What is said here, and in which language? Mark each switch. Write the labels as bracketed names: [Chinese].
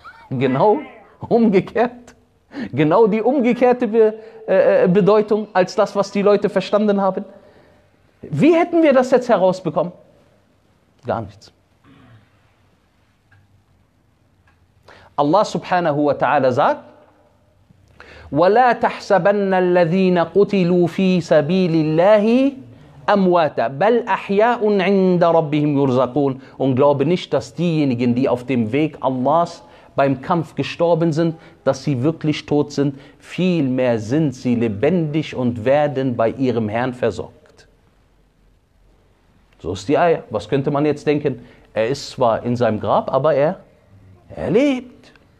[German] Genau umgekehrt. Genau die umgekehrte Bedeutung als das, was die Leute verstanden haben. Wie hätten wir das jetzt herausbekommen? Gar nichts. [Arabic] Allah subhanahu wa ta'ala [German] sagt, [Arabic] وَلَا تَحْسَبَنَّ الَّذِينَ قُتِلُوا فِي سَبِيلِ اللَّهِ أَمْوَاتَ بَلْ أَحْيَاءٌ عِنْدَ رَبِّهِمْ يُرْزَقُونَ. [German] Und glaube nicht, dass diejenigen, die auf dem Weg Allahs beim Kampf gestorben sind, dass sie wirklich tot sind, vielmehr sind sie lebendig und werden bei ihrem Herrn versorgt. So ist die Eier. Was könnte man jetzt denken? Er ist zwar in seinem Grab, aber er lebt.